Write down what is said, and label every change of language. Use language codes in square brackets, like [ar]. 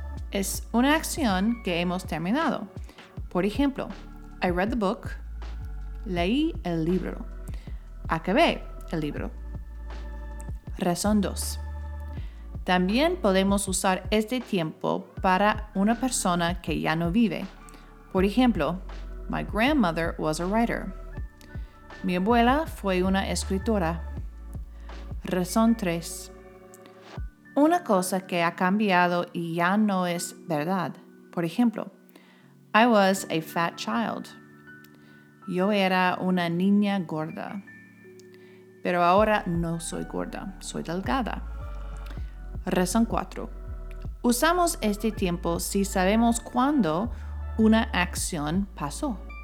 [es] Es una acción que hemos terminado. Por ejemplo, [en] I read the book. [es] Leí el libro. Acabé el libro. Razón 2. También podemos usar este tiempo para una persona que ya no vive. Por ejemplo, [en] my grandmother was a writer. [es] Mi abuela fue una escritora. Razón 3. Una cosa que ha cambiado y ya no es verdad. Por ejemplo, [en] I was a fat child. [es] Yo era una niña gorda. Pero ahora no soy gorda, soy delgada. Razón 4. Usamos este tiempo si sabemos cuándo una acción pasó.